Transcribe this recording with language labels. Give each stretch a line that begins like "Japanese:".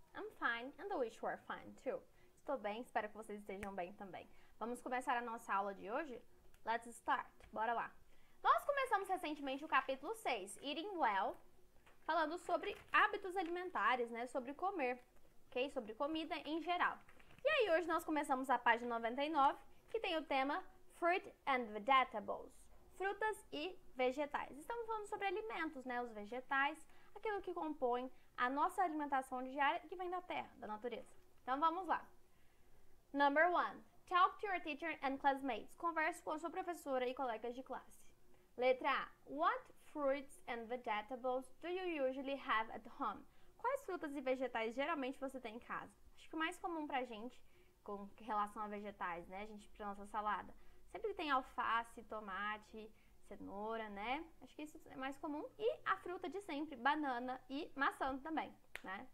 English: I'm fine, and I wish you were fine, too.
Portuguese: Estou bem, espero que vocês estejam bem também. Vamos começar a nossa aula de hoje?
English: Let's start.
Portuguese: Bora lá. Nós começamos recentemente o capítulo 6, Eating Well, falando sobre hábitos alimentares, né? Sobre comer, ok? Sobre comida em geral. E aí, hoje nós começamos a página 99, que tem o tema Fruit and Vegetables. Frutas e vegetais. Estamos falando sobre alimentos, né? Os vegetais, aquilo que compõe a nossa alimentação diária que vem da terra, da natureza. Então vamos lá.
English: Number one, talk to your teacher and classmates.
Portuguese: Converse com a sua professora e colegas de classe. Letra A.
English: What fruits and vegetables do you usually have at home?
Portuguese: Quais frutas e vegetais geralmente você tem em casa? Acho que o mais comum pra gente com relação a vegetais, né? A gente, pra nossa salada. Sempre tem alface, tomate, cenoura, né? Acho que isso é mais comum. E a fruta de sempre, banana e maçã também, né?